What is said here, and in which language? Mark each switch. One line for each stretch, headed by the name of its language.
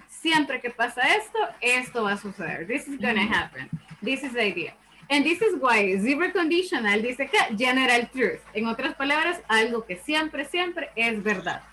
Spanish: Siempre que pasa esto, esto va a suceder.
English: This is going to happen. This is the idea. And this is why zero conditional
Spanish: dice que
English: general truth.
Spanish: En otras palabras, algo que siempre, siempre es verdad.